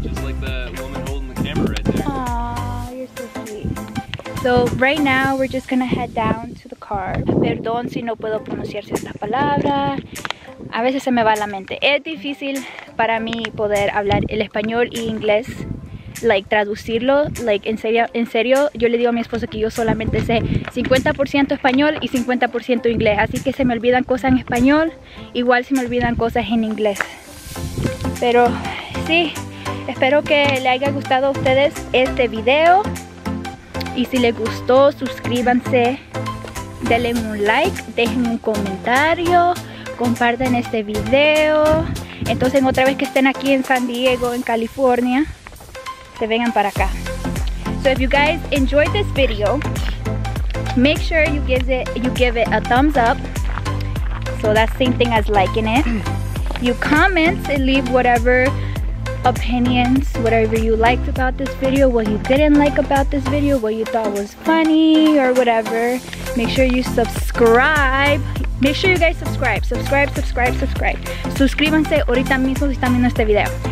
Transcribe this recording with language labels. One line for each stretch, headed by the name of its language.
English: Just like the woman holding the camera right there. Aww, you're so sweet. So right now we're just gonna head down to the car.
Spanish: Perdón si no puedo pronunciar esta palabra. A veces se me va la mente. Es difícil para mí poder hablar el español y inglés, like traducirlo, like en serio, yo le digo a mi esposo que yo solamente sé 50% español y 50% inglés, así que se me olvidan cosas en español, igual se me olvidan cosas en inglés. Pero sí, espero que le haya gustado a ustedes este video y si les gustó, suscríbanse, denle un like, dejen un comentario, compartan este video. Entonces, otra vez que estén aquí en San Diego, en California, se vengan para acá.
English: So if you guys enjoyed this video, make sure you give it a thumbs up. So that's same thing as liking it. You comment and leave whatever opinions, whatever you liked about this video, what you didn't like about this video, what you thought was funny or whatever. Make sure you subscribe. Make sure you guys subscribe. Subscribe.
Spanish: Suscríbanse ahorita mismo si están viendo este video.